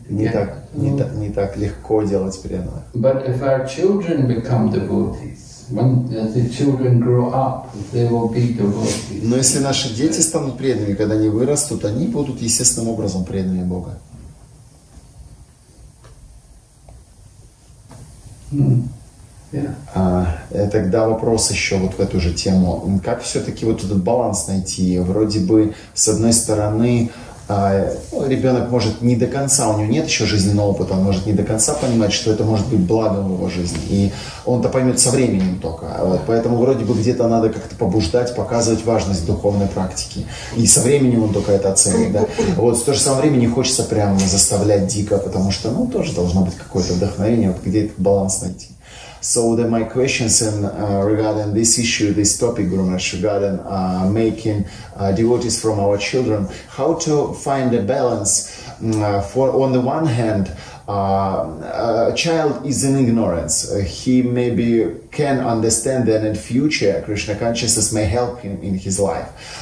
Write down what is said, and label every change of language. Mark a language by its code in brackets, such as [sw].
[ru] Не так легко делать преданное. [en] But if our children become devotees, when the children grow up, they will be devotees. [ru] Но если наши дети станут преданными, когда они вырастут, они будут естественным образом преданными Бога. [en] Yeah. [ru] Тогда вопрос еще вот в эту же тему. Как все-таки вот этот баланс найти? Вроде бы, с одной стороны, ребенок может не до конца, у него нет еще жизненного опыта, он может не до конца понимать, что это может быть благом в его жизни. И он-то поймет со временем только. Вот. Поэтому вроде бы где-то надо как-то побуждать, показывать важность духовной практики. И со временем он только это оценит. Да? Вот в то же самое время не хочется прямо заставлять дико, потому что, ну, тоже должно быть какое-то вдохновение, вот где этот баланс найти. [en] So then my questions and regarding this issue, this topic, Guru Maharaj, regarding making devotees from our children, how to find a balance? For on the one hand, a child is in ignorance. He maybe can understand that in future Krishna consciousness may help him in his life.